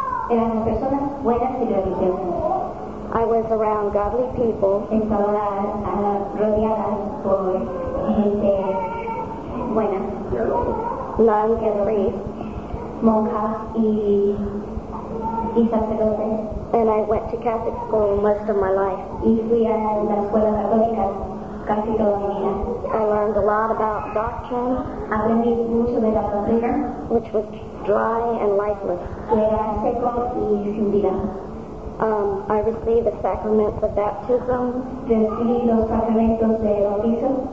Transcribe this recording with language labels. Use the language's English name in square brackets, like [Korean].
[Spanish] Éramos personas buenas y religiosas. [English] I was around godly people. [Spanish] Estaba rodeada por gente buena. [English] Nuns and priests. [Spanish] Monjas y sacerdotes. [English] And I went to Catholic school most of my life. [Spanish] Y fui a la escuela católica casi toda mi vida. [English] I learned a lot about doctrine. [Spanish] Aprendí mucho de la doctrina. [English] Which was dry and lifeless. [Spanish] Que era seco y sin vida. [English] I received the sacraments of baptism. [Spanish] Recibí los sacramentos de bautismo.